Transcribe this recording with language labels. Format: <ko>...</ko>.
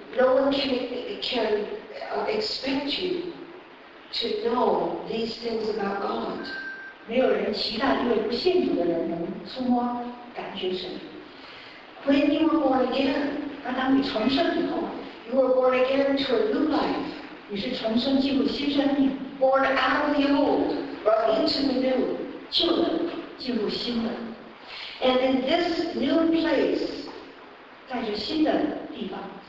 <en>No one can expect you to know these things about God.</en> <zh>没有人期待一位不信主的人能触摸、感觉神。</zh> <en>When you were born again,</en> <zh>当你重生以后,</zh> <en>you were born again to a new life.</en> <zh>你是重生进入新生命。</zh> <en>Born out of the old, brought into the new.</en> <zh>旧的进入新的。</zh> <en>And in this new place,</en> <zh>在这新的地方,</zh>